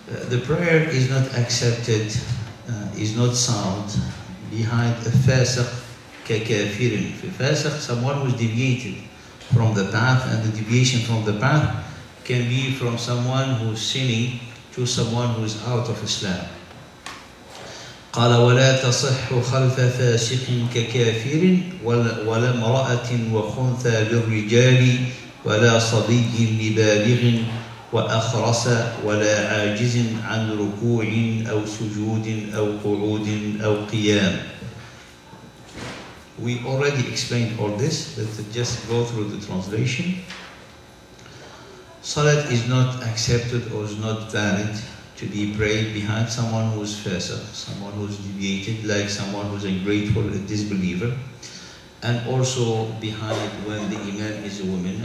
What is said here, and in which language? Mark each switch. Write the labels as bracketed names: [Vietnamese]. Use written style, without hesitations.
[English] The prayer is not accepted, is not sound behind a [Arabic] فاسق ككافر. [English] فاسق, someone who is deviated from the path, and the deviation from the path can be from someone who is sinning to someone who is out of Islam. [Arabic] قال ولا تصح خلف فاسق ككافر ولا امرأة وخنثى للرجال ولا صبي لبالغ وأخرس ولا عاجز عن ركوع أو سجود أو قعود أو قيام. [English] We already explained all this, but just go through the translation. Salat is not accepted or is not valid to be prayed behind someone who is fasiq, someone who is deviated, like someone who is ungrateful, a disbeliever, and also behind when the imam is a woman.